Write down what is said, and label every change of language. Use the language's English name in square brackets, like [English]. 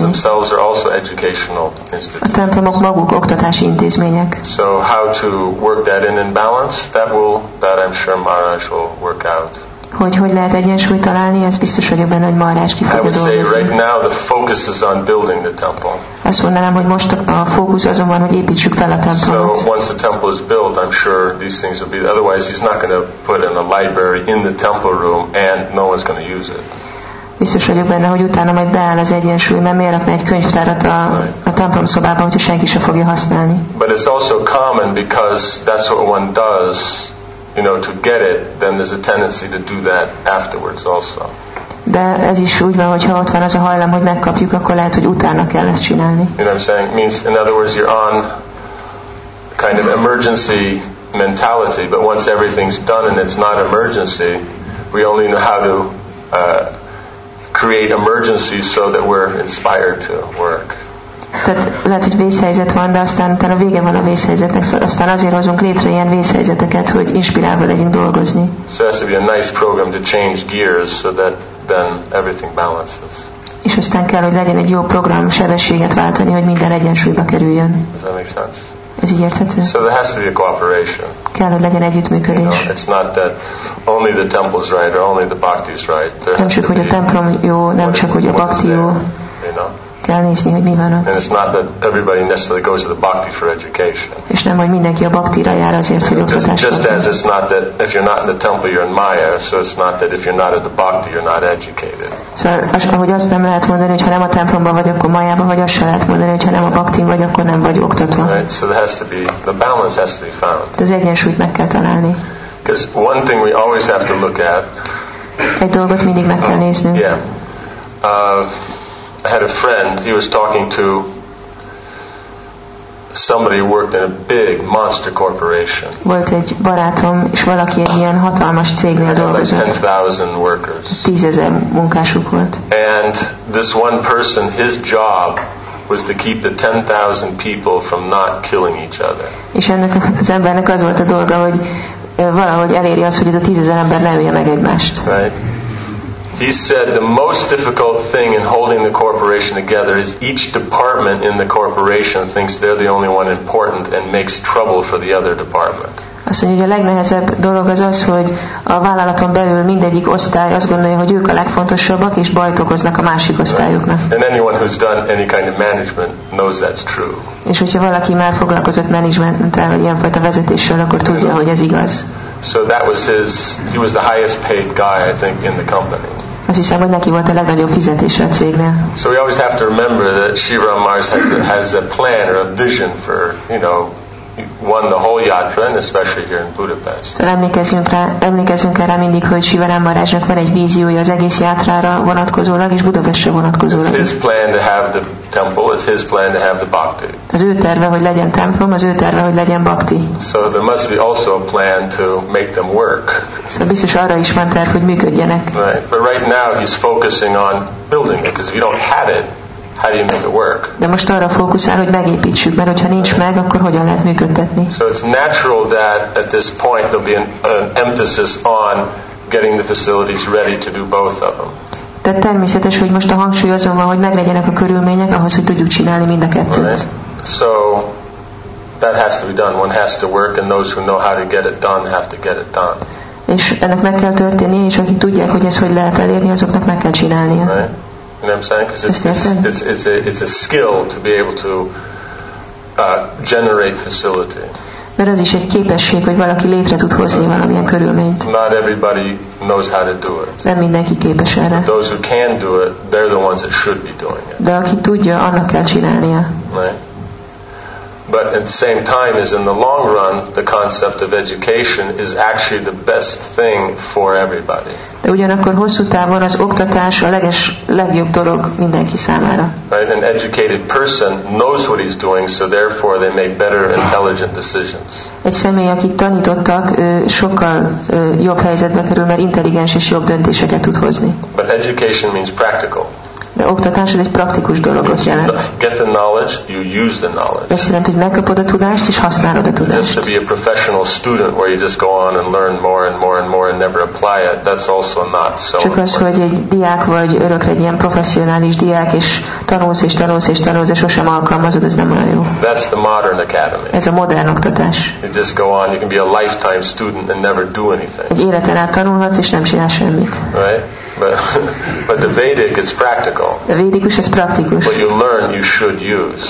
[English] Themselves are also educational institutions. [Hungarian] A templomok maguk oktatási intézmények. [English] So how to work that in balance, that I'm sure Maharaj will work out. [Hungarian] Hogy lehet egyensúlyt találni, ez biztos, hogy ebben nagy Maharaj ki fogja dolgozni. [English] Right now the focus is on building the temple. [Hungarian] Azt mondanám, hogy most a fókusz azon van, hogy építsük fel a templomot. [English] So once the temple is built, I'm sure these things will be. Otherwise, he's not going to put in a library in the temple room, and no one's going to use it. [Hungarian] Biztos vagyok benne, hogy utána majd beáll az egyensúly, mert miért rakna egy könyvtárat a templom szobában, hogyha senki sem fogja használni. [English] But it's also common because that's what one does, you know, to get it, then there's a tendency to do that afterwards also. [Hungarian] De ez is úgy van, hogyha ott van az a hajlam, hogy megkapjuk, akkor lehet, hogy utána kell ezt csinálni. [English] You know what I'm saying? Means, in other words, you're on kind of emergency mentality, but once everything's done and it's not emergency, we only know how to create emergencies so that we're inspired to work. [Hungarian] Tehát lehet, hogy vészhelyzet van, de aztán a vége van a vészhelyzetnek, szóval aztán azért hozunk létre ilyen vészhelyzeteket, hogy inspirálva legyünk dolgozni. [English] So it has to be a nice program to change gears so that then everything balances. [Hungarian] És aztán kell, hogy legyen egy jó program sebességet váltani, hogy minden egyensúlyba kerüljön. [English] Does that make sense? [Hungarian] Ez így érthető? [English] So there has to be a cooperation. [Hungarian] Kell, hogy legyen együttműködés. [English] You know, it's not that only the temple's right or only the bhakti's right. [Hungarian] Nem csak, hogy a templom jó, nem csak, hogy a bhakti jó. Kell nézni, hogy mi van ott. [English] And it's not that everybody necessarily goes to the bhakti for education. [Hungarian] És nem, hogy mindenki a bhaktira jár azért, hogy oktatást kapjon. [English] Just as it's not that if you're not in the temple, you're in maya, so it's not that if you're not at the bhakti, you're not educated. [Hungarian] Szóval, ahogy azt nem lehet mondani, hogy ha nem a templomban vagy, akkor mayában vagy, azt sem lehet mondani, hogy ha nem a bhaktin vagy, akkor nem vagy oktatva. [English] Right, so there has to be, the balance has to be found. [Hungarian] De az egyensúlyt meg kell találni. [English] Because one thing we always have to look at. [Hungarian] Egy dolgot mindig meg kell néznünk. [English] I had a friend, he was talking to somebody who worked in a big monster corporation. [Hungarian] Volt egy barátom, és valaki egy ilyen hatalmas cégnél dolgozott. [English] 10,000 workers. [Hungarian] 10,000 munkásuk volt. [English] And this one person, his job was to keep the 10,000 people from not killing each other. [Hungarian] És ennek az embernek az volt a dolga, hogy valahogy eléri azt, hogy ez a 10,000 ember ne ölje meg egymást. [English] Right. He said the most difficult thing in holding the corporation together is each department in the corporation thinks they're the only one important and makes trouble for the other department. [Hungarian] Azt mondja, hogy a legnehezebb dolog az az, hogy a vállalaton belül mindegyik osztály azt gondolja, hogy ők a legfontosabbak, és bajt okoznak a másik osztályoknak. [English] And anyone who's done any kind of management knows that's true. [Hungarian] És hogyha valaki már foglalkozott menedzsmenttel, vagy ilyenfajta vezetéssel, akkor tudja, hogy ez igaz. [English] So that was his, he was the highest paid guy, I think, in the company. [Hungarian] Azt hiszem, hogy neki volt a legnagyobb fizetése a cégnél. [English] So we always have to remember that Shiva Mars has a plan or a vision for, you know, one, the whole yatra, and especially here in Budapest. [Hungarian] Emlékezzünk erre mindig, hogy Shiva Ramarajnak van egy víziója az egész yatrára vonatkozólag, és Budapestre vonatkozólag. [English] It's his plan to have the temple, it's his plan to have the bhakti. [Hungarian] Az ő terve, hogy legyen templom, az ő terve, hogy legyen bhakti. [English] So there must be also a plan to make them work. [Hungarian] Szóval biztos arra is van terv, hogy működjenek. [English] Right. But right now he's focusing on building it, because if you don't have it, how do you make it work? [Hungarian] De most arra fókuszál, hogy megépítsük, mert hogyha nincs meg, akkor hogyan lehet működtetni? [English] So it's natural that at this point there'll be an emphasis on getting the facilities ready to do both of them. [Hungarian] De természetes, hogy most a hangsúly azon van, hogy meglegyenek a körülmények ahhoz, hogy tudjuk csinálni mind a kettőt. [English] Right. So that has to be done. One has to work, and those who know how to get it done have to get it done. [Hungarian] És ennek meg kell történnie, és akik tudják, hogy ez hogy lehet elérni, azoknak meg kell csinálnia. [English] Right. You know what I'm saying? Because it's a skill to be able to generate facility. [Hungarian] Mert az is egy képesség, hogy valaki létre tud hozni valamilyen körülményt. [English] Not everybody knows how to do it. [Hungarian] Nem mindenki képes erre. [English] But those who can do it, they're the ones that should be doing it. [Hungarian] De aki tudja, annak kell csinálnia. [English] Right. But at the same time, as in the long run, the concept of education is actually the best thing for everybody. [Hungarian] De ugyanakkor hosszú távon az oktatás a legjobb dolog mindenki számára. [English] Right, an educated person knows what he's doing, so therefore they make better intelligent decisions. [Hungarian] Egy személy, akit tanítottak, sokkal jobb helyzetbe kerül, mert intelligens és jobb döntéseket tud hozni. [English] But education means practical. [Hungarian] De oktatás ez egy praktikus dologot jelent. [English] Get the knowledge, you use the knowledge. [Hungarian] Ez jelent, hogy megkapod a tudást, és használod a tudást. [English] Just to be a professional student where you just go on and learn more and more and more and never apply it, that's also not so important. [Hungarian] Csak az, hogy egy diák vagy örökre egy ilyen professzionális diák, és tanulsz és tanulsz és tanulsz, és sosem alkalmazod, ez nem olyan jó. [English] That's the modern academy. [Hungarian] Ez a modern oktatás. [English] You just go on, you can be a lifetime student and never do anything. [Hungarian] Egy életen át tanulhatsz, és nem csinálsz semmit. [English] Right? But the Vedic is practical. [Hungarian] A védikus ez praktikus. [English] What you learn, you should use.